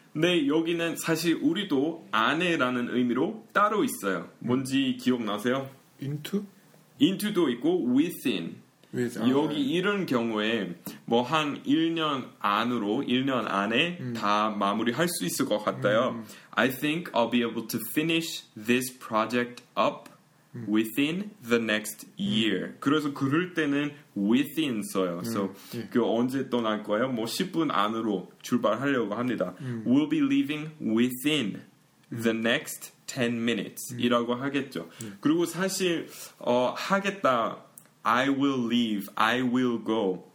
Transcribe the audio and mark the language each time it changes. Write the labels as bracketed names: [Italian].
[Korean] 네, 여기는 사실 우리도 안에라는 의미로 따로 있어요. 뭔지 기억나세요? [English] Into? [Korean] Into도 있고 within. 여기 이런 경우에 뭐 한 1년 안으로 1년 안에 다 마무리할 수 있을 것 같아요. [English] I think I'll be able to finish this project up within the next year. [Korean] 그래서 그럴 때는 within 써요. So 그 언제 떠날 거예요? 뭐 10분 안으로 출발하려고 합니다. [English] We'll be leaving within the next 10 minutes [Korean] 이라고 하겠죠. 그리고 사실 하겠다 [English] I will leave, I will go.